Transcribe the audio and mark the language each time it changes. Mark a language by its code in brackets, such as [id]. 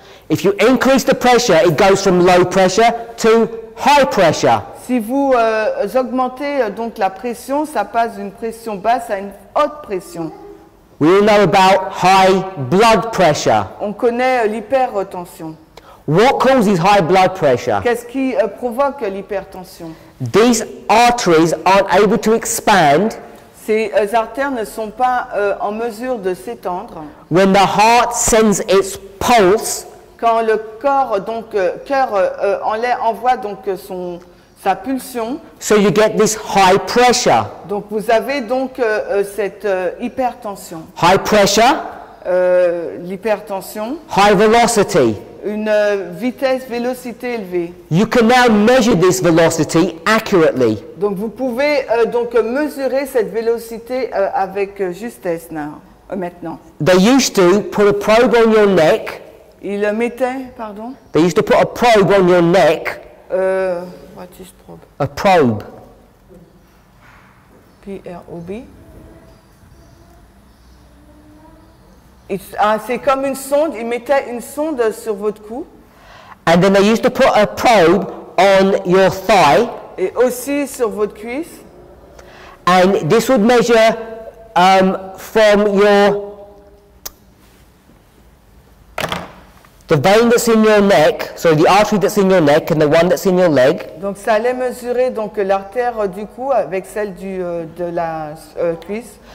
[en] If you increase the pressure, it goes from low pressure to high pressure. [fr] Si vous augmentez donc la pression, ça passe d'une pression basse à une haute pression. [en] We all know about high blood pressure. [fr] On connaît l'hypertension. [en] What causes high blood pressure? [fr] Qu'est-ce qui provoque l'hypertension? [en] These arteries aren't able to expand. [fr] Ces artères ne sont pas en mesure de s'étendre. [en] When the heart sends its pulse. [fr] Quand le corps donc cœur envoie donc son sa pulsion. [en] So you get this high pressure. [fr] Donc vous avez donc cette hypertension. [en] High pressure. [fr] L'hypertension. [en] High velocity. [fr] Une vitesse, vélocité élevée. [en] You can now measure this velocity accurately. [fr] Donc vous pouvez donc mesurer cette vélocité avec justesse maintenant. [en] They used to put a probe on your neck. [fr] Ils le mettaient, pardon? [en] They used to put a probe on your neck. What is probe? A probe. P-R-O-B. [fr] C'est comme une sonde. Ils mettaient une sonde sur votre cou. [en] And then they used to put a probe on your thigh. [fr] Et aussi sur votre cuisse. [en] And this would measure from your the vein that's in your neck, so the artery that's in your neck and the one that's in your leg. [fr] Donc ça allait mesurer donc l'artère du cou avec celle du de la cuisse.